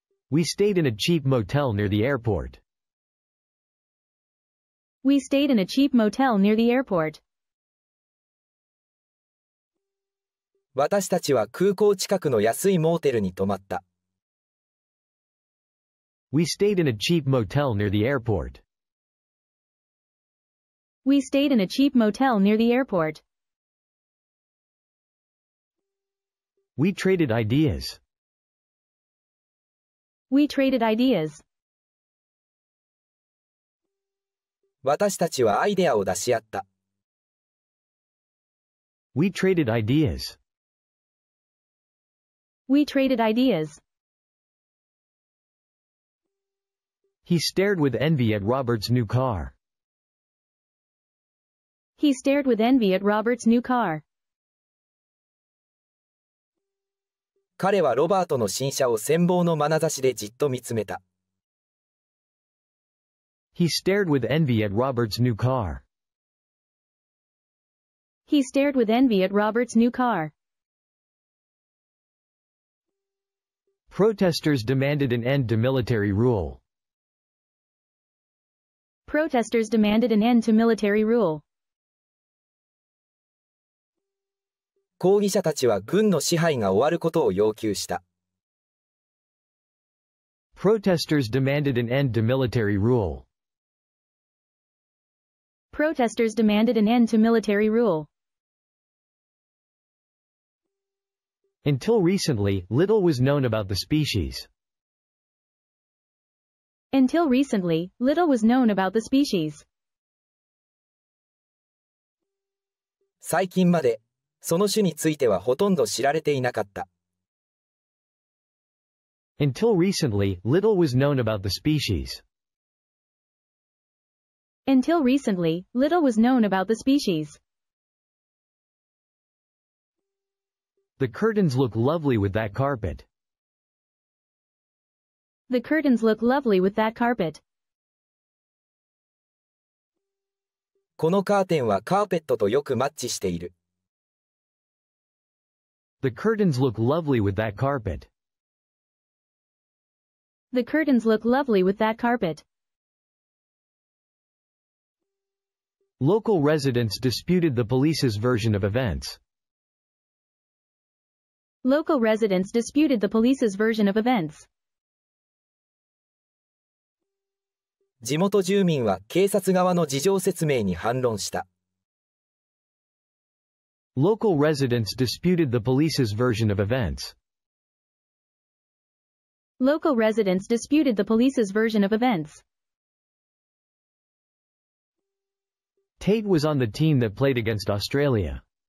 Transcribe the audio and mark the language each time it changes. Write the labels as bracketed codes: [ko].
[en] We stayed in a cheap motel near the airport. We stayed in a cheap motel near the airport. [ja] 私たちは空港近くの安いモーテルに泊まった。 [en] We stayed in a cheap motel near the airport. We stayed in a cheap motel near the airport. We traded ideas. We traded ideas. [ja] 私たちはアイデアを出し合った。 [en] We traded ideas. We traded ideas. He stared with envy at Robert's new car. He stared with envy at Robert's new car. [ja] 彼はロバートの新車を羨望の眼差しでじっと見つめた。 [en] He stared with envy at Robert's new car. He stared with envy at Robert's new car. Protesters demanded an end to military rule. Protesters demanded an end to military rule. [ja] 抗議者たちは軍の支配が終わることを要求した。 [en] Protesters demanded an end to military rule. Protesters demanded an end to military rule. Until recently, little was known about the species. Until recently, little was known about the species. [ja] 最近まで、その種についてはほとんど知られていなかった。 [en] Until recently, little was known about the species. Until recently, little was known about the species. The curtains look lovely with that carpet. The curtains look lovely with that carpet. [ja] このカーテンはカーペットとよくマッチしている。 [en] The curtains look lovely with that carpet. The curtains look lovely with that carpet. Local residents disputed the police's version of events. Local residents disputed the police's version of events. [ja] 地元住民は警察側の事情説明に反論した。 [en] Local residents disputed the police's version of events. Local residents disputed the police's version of events. Tate was on the team that played against Australia.